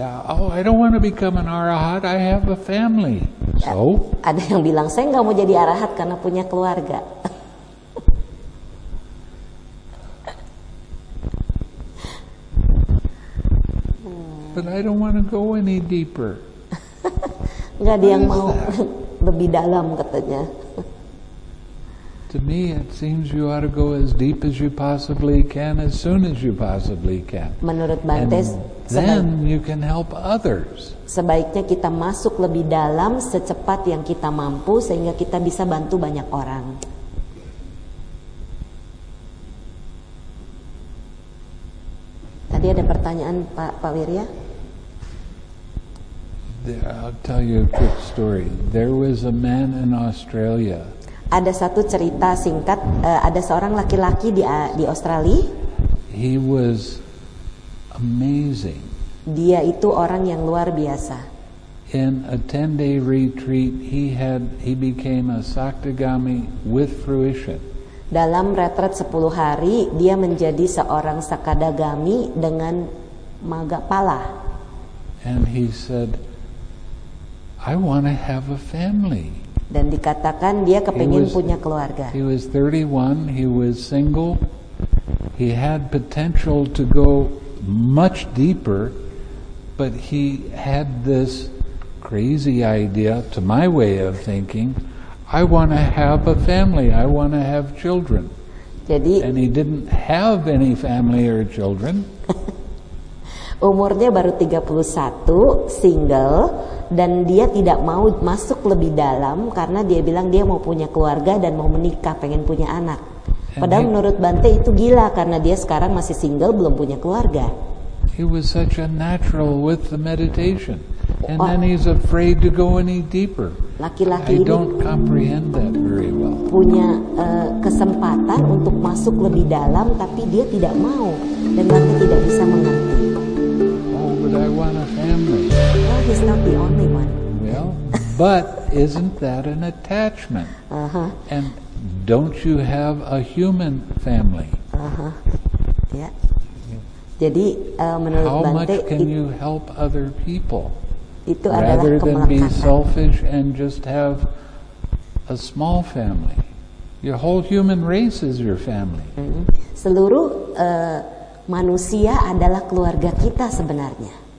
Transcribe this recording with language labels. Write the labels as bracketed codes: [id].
[en] Oh, I don't want to become an arahat. I have a family. So? [id] Ada yang bilang saya enggak mau jadi arahat karena punya keluarga. [en] But I don't want to go any deeper. [id] Enggak ada yang mau lebih dalam katanya. [en] To me, it seems you ought to go as deep as you possibly can, as soon as you possibly can. [id] Menurut Bantes, [en] then you can help others. [id] Sebaiknya kita masuk lebih dalam secepat yang kita mampu sehingga kita bisa bantu banyak orang. Tadi ada pertanyaan Pak Wirya. [en] I'll tell you a quick story. There was a man in Australia. [id] Ada satu cerita singkat, ada seorang laki-laki di Australia. [en] He was amazing. [id] Dia itu orang yang luar biasa. [en] In a 10-day retreat, he became a Saktagami with fruition. [id] Dalam retret 10 hari, dia menjadi seorang Sakadagami dengan magapala. [en] And he said, I want to have a family. [id] Dan dikatakan dia kepingin punya keluarga. [en] He was 31, he was single. He had potential to go much deeper, but he had this crazy idea, to my way of thinking, I want to have a family, I want to have children. [id] Jadi, [en] and he didn't have any family or children. [id] Umurnya baru 31, single, dan dia tidak mau masuk lebih dalam karena dia bilang dia mau punya keluarga dan mau menikah, pengen punya anak. Padahal menurut Bante itu gila karena dia sekarang masih single, belum punya keluarga. [en] He was such a natural with the meditation. And then he's afraid to go any deeper. [id] Laki-laki [en] I don't comprehend that very well. [id] Punya kesempatan untuk masuk lebih dalam, tapi dia tidak mau. Dan Bante tidak bisa mengerti. [en] I want a family. Well, he's not the only one. Well, but isn't that an attachment? Uh-huh. And don't you have a human family? [id] Uh-huh. [en] Yeah. [id] Jadi menurut [en] How [id] Bante, [en] much can you help other people? [id] Itu [en] rather than be selfish and just have a small family. Your whole human race is your family. Mm-hmm. [id] Seluruh manusia adalah keluarga kita sebenarnya.